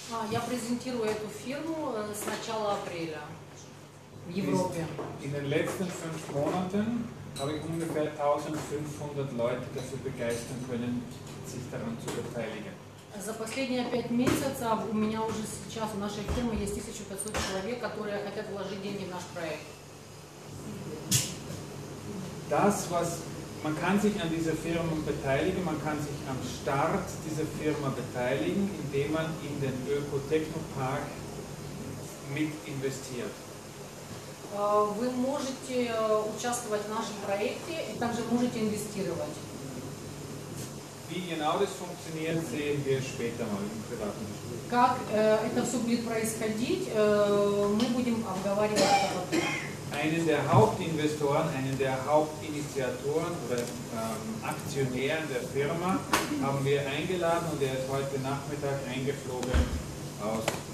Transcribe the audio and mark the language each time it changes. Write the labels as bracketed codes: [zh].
[ru] Я презентирую эту фирму с начала апреля в Европе. [de] In den letzten 5 Monaten habe ich ungefähr 1500 Leute dafür begeistern können, sich daran zu beteiligen. [ru] За последние 5 месяцев у меня уже сейчас у нашей фирмы есть 1500 человек, которые хотят вложить деньги в наш проект. [de] Das, was man kann sich an dieser Firma beteiligen, man kann sich am Start dieser Firma beteiligen, indem man in den Öko-Technopark mit investiert. [ru] Вы можете участвовать в нашем проекте и также можете инвестировать. [de] Wie genau das funktioniert, sehen wir später mal im privaten Gespräch. [ru] Как это все будет происходить, мы будем обговаривать это потом. [de] Einen der Hauptinvestoren, einen der Hauptinitiatoren oder Aktionären der Firma haben wir eingeladen und er ist heute Nachmittag eingeflogen aus